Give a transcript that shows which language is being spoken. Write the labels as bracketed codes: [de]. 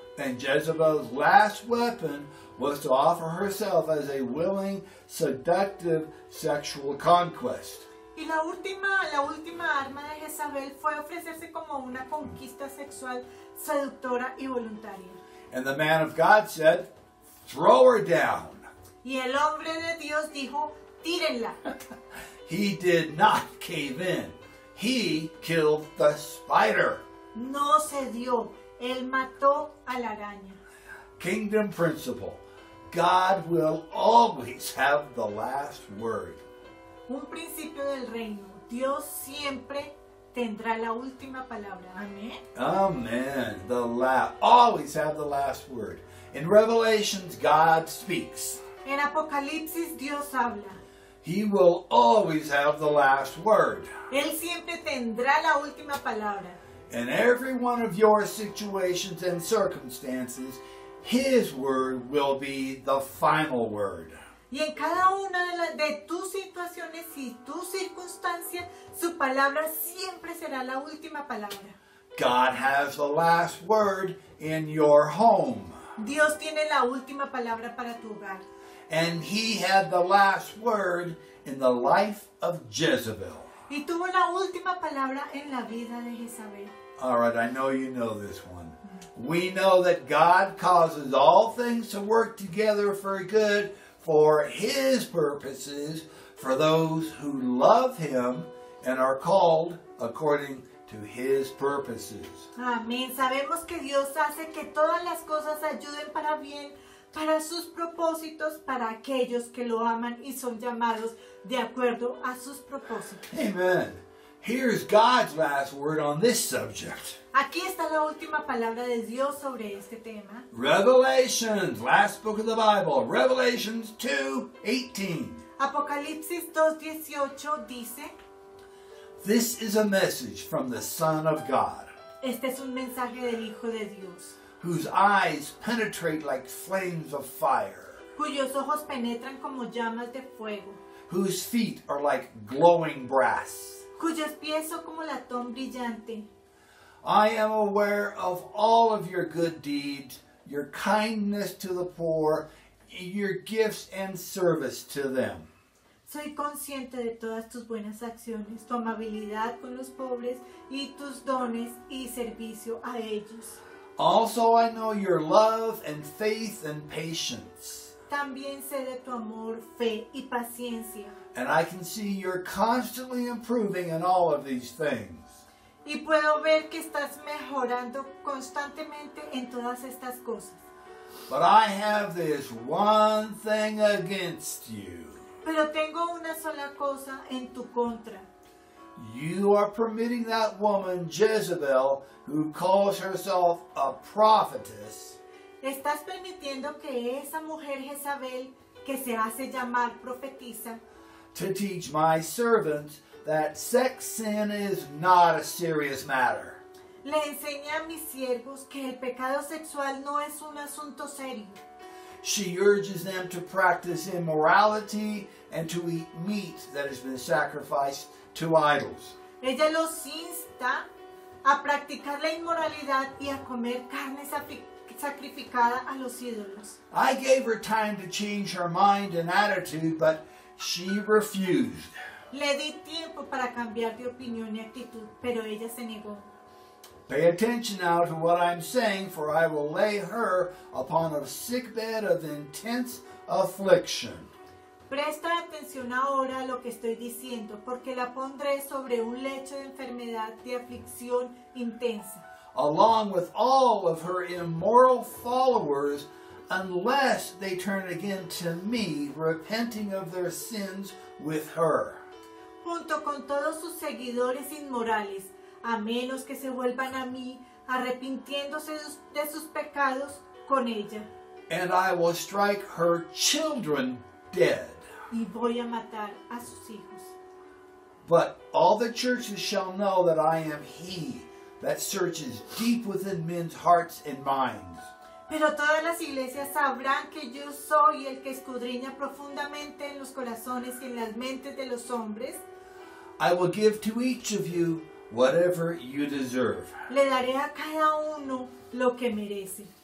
[en] And Jezebel's last weapon was to offer herself as a willing, seductive sexual conquest. [es] Y la última arma de Jezebel fue ofrecerse como una conquista sexual seductora y voluntaria. [en] And the man of God said, throw her down. [es] Y el hombre de Dios dijo, tírenla. [en] He did not cave in. He killed the spider. [es] No cedió. Él mató a la araña. [en] Kingdom principle. God will always have the last word. [es] Un principio del reino. Dios siempre tendrá la última palabra. Amén. [en] Amen. The last. Always have the last word. In Revelations, God speaks. [es] En Apocalipsis, Dios habla. [en] He will always have the last word. [es] Él siempre tendrá la última palabra. [en] In every one of your situations and circumstances, His word will be the final word. [es] Y en cada una de tus situaciones y tus circunstancias, su palabra siempre será la última palabra. [en] God has the last word in your home. [es] Dios tiene la última palabra para tu hogar. [en] And He had the last word in the life of Jezebel. [es] Y tuvo la última palabra en la vida de Jezebel. [en] All right, I know you know this one. We know that God causes all things to work together for good for His purposes, for those who love Him and are called according to His purposes. [es] Amén. Sabemos que Dios hace que todas las cosas ayuden para bien, para sus propósitos, para aquellos que lo aman y son llamados de acuerdo a sus propósitos. [en] Amen. Here's God's last word on this subject. [es] Aquí está la última palabra de Dios sobre este tema. [en] Revelations, last book of the Bible, Revelations 2:18. [es] Apocalipsis 2:18 dice, [en] this is a message from the Son of God. [es] Este es un mensaje del Hijo de Dios. [en] Whose eyes penetrate like flames of fire. [es] Cuyos ojos penetran como llamas de fuego. [en] Whose feet are like glowing brass. [es] Cuyos pies son como latón brillante. [en] I am aware of all of your good deeds, your kindness to the poor, your gifts and service to them. [es] Soy consciente de todas tus buenas acciones, tu amabilidad con los pobres y tus dones y servicio a ellos. [en] Also, I know your love and faith and patience. [es] También sé de tu amor, fe y paciencia. [en] And I can see you're constantly improving in all of these things. [es] Y puedo ver que estás mejorando constantemente en todas estas cosas. [en] But I have this one thing against you. [es] Pero tengo una sola cosa en tu contra. [en] You are permitting that woman, Jezebel, who calls herself a prophetess. [es] Estás permitiendo que esa mujer, Jezebel, que se hace llamar profetisa, [en] to teach my servants that sex sin is not a serious matter. [es] Le enseñé a mis siervos que el pecado sexual no es un asunto serio. [en] She urges them to practice immorality and to eat meat that has been sacrificed to idols. [es] Ella los insta a practicar la inmoralidad y a comer carne sacrificada a los ídolos. [en] I gave her time to change her mind and attitude, but she refused. [es] Le di tiempo para cambiar de opinión y actitud, pero ella se negó. [en] Pay attention now to what I'm saying, for I will lay her upon a sick bed of intense affliction. [es] Presta atención ahora a lo que estoy diciendo, porque la pondré sobre un lecho de enfermedad de aflicción intensa. [en] Along with all of her immoral followers, unless they turn again to me, repenting of their sins with her. [es] Junto con todos sus seguidores inmorales, a menos que se vuelvan a mí, arrepintiéndose de sus pecados con ella. [en] And I will strike her children dead. [es] Y voy a matar a sus hijos. [en] But all the churches shall know that I am he that searches deep within men's hearts and minds. [es] Pero todas las iglesias sabrán que yo soy el que escudriña profundamente en los corazones y en las mentes de los hombres. [en] I will give to each of you whatever you deserve. [es] Le daré a cada uno lo que merece.